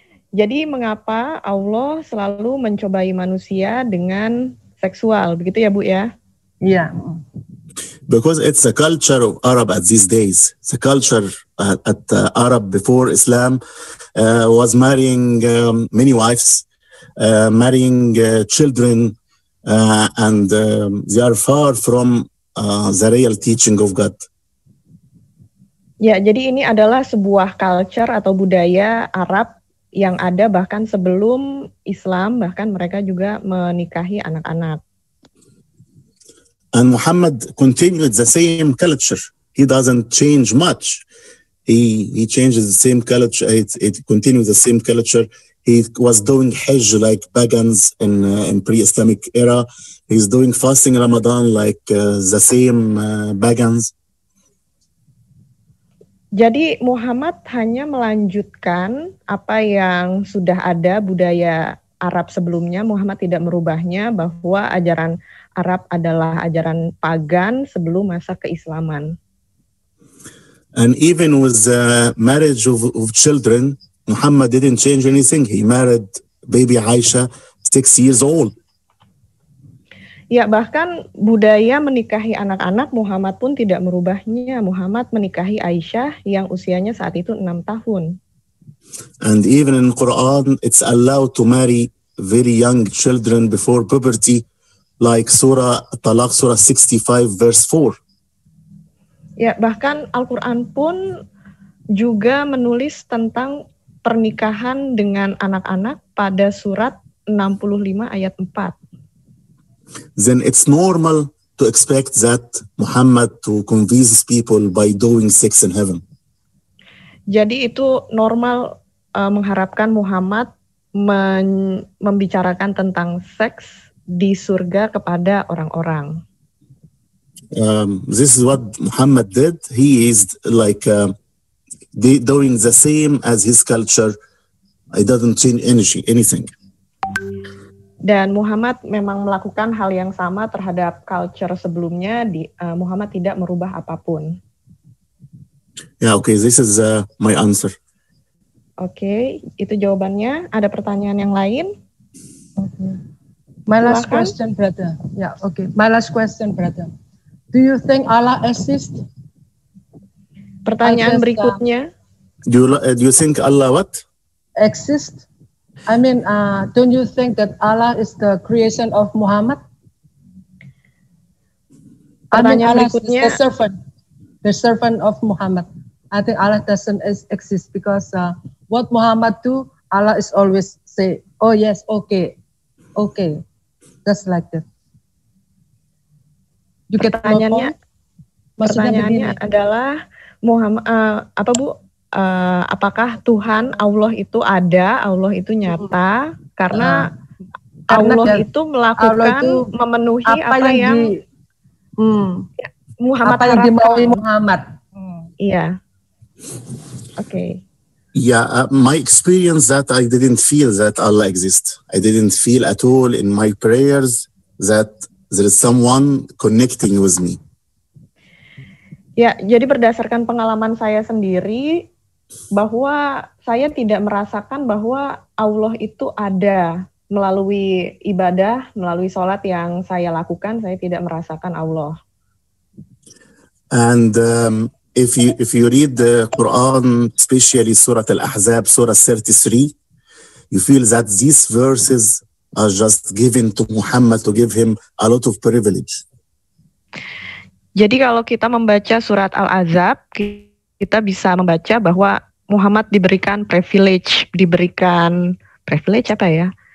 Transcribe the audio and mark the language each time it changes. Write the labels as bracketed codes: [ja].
[id] Jadi mengapa Allah selalu mencobai manusia dengan seksual, begitu ya, Bu ya? Iya. [en] Because it's a culture of Arab at these days. The culture at Arab before Islam was marrying many wives, marrying children, and they are far from the real teaching of God. [id] Ya, jadi ini adalah sebuah culture atau budaya Arab yang ada bahkan sebelum Islam, bahkan mereka juga menikahi anak-anak. [en] And Muhammad continued the same culture. He doesn't change much. He changes the same culture. It continues the same culture. He was doing Hajj like pagans in pre-Islamic era. He's doing fasting Ramadan like the same pagans. [id] Jadi Muhammad hanya melanjutkan apa yang sudah ada budaya Arab sebelumnya. Muhammad tidak merubahnya bahwa ajaran Arab adalah ajaran pagan sebelum masa keislaman. [en] And even with the marriage of children, Muhammad didn't change anything. He married baby Aisha 6 years old. [id] Ya, bahkan budaya menikahi anak-anak Muhammad pun tidak merubahnya. Muhammad menikahi Aisyah yang usianya saat itu 6 tahun. [en] And even in Quran, it's allowed to marry very young children before puberty, like surah Talaq, surah 65, verse 4. [id] Ya, bahkan Al-Quran pun juga menulis tentang pernikahan dengan anak-anak pada surat 65 ayat 4. [en] Then it's normal to expect that Muhammad to convince people by doing sex in heaven. [id] Jadi itu normal mengharapkan Muhammad membicarakan tentang seks di surga kepada orang-orang. [en] This is what Muhammad did. He is like doing the same as his culture. I doesn't change anything. [id] Dan Muhammad memang melakukan hal yang sama terhadap culture sebelumnya. Muhammad tidak merubah apapun. [en] Yeah, okay. This is my answer. [id] Okay, itu jawabannya. Ada pertanyaan yang lain? [en] Okay. My last question, brother. Yeah, okay. My last question, brother. Do you think Allah exists? [id] Pertanyaan berikutnya. [en] Do you think Allah what? Exist. I mean, don't you think that Allah is the creation of Muhammad? [id] Pertanyaan berikutnya. [en] The servant of Muhammad. I think Allah doesn't exist because what Muhammad do, Allah is always say, oh yes, okay. Just like that. [id] Pertanyaannya, adalah Muhammad apa Bu? Apakah Tuhan Allah itu ada, Allah itu nyata? Karena Allah itu melakukan Allah itu memenuhi apa yang di, Muhammad apa yang dimaui Muhammad. Iya. Oke. [en] Okay. Yeah, my experience that I didn't feel that Allah exists. I didn't feel at all in my prayers that there is someone connecting with me. [id] Ya, jadi berdasarkan pengalaman saya sendiri, bahwa saya tidak merasakan bahwa Allah itu ada melalui ibadah, melalui sholat yang saya lakukan, saya tidak merasakan Allah. [en] And if you read the Quran, especially Surah Al-Ahzab, Surah 33, you feel that these verses are just given to Muhammad to give him a lot of privilege. [id] Jadi kalau kita membaca surat Al-Azab, kita bisa membaca bahwa Muhammad diberikan privilege apa ya?